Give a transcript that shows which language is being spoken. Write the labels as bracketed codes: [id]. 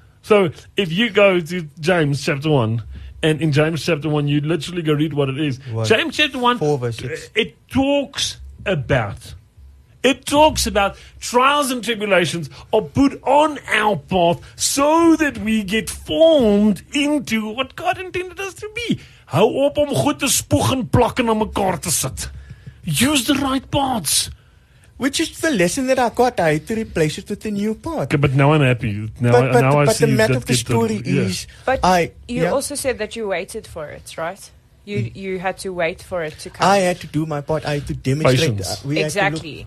[en] So if you go to James chapter 1, and in James chapter 1, you literally go read what it is. What? James chapter 1, 4 verse 6. It talks about trials and tribulations are put on our path so that we get formed into what God intended us to be. [af] Hou op om goed te spoeg en plak en aan mekaar te sit. [en] Use the right parts. Which is the lesson that I got. I had to replace it with the new part. Okay, but now I'm happy. But the matter of the story is... But also said that you waited for it, right? You had to wait for it to come. I had to do my part. I had to demonstrate. Patience.